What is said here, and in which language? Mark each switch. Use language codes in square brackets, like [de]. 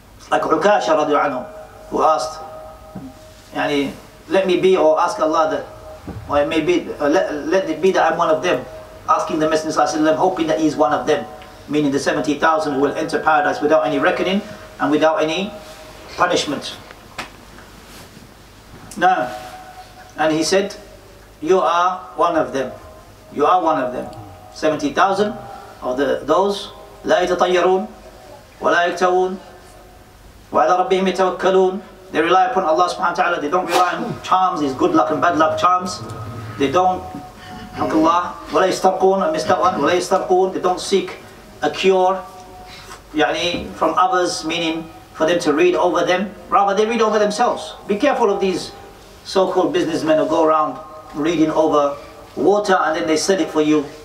[en] Like Ukasha radiu anhu, who asked, let me be, or ask Allah that, or it may be, let it be that I'm one of them, asking the Messenger, hoping that he's one of them, meaning the 70,000 who will enter paradise without any reckoning and without any punishment. No. And he said, you are one of them. You are one of them. 70,000 of those. [ar] لا يتطيرون ولا يكتوون وعلى ربهم يتوكلون. [en] They rely upon Allah subhanahu wa ta'ala. They don't rely on charms, these good luck and bad luck charms. They don't, thank Allah, [ar] ولا يستقون, [en] I missed that one, ولا يستقون. They don't seek a cure from others, meaning for them to read over them. Rather, they read over themselves. Be careful of these so-called businessmen who go around reading over water and then they sell it for you.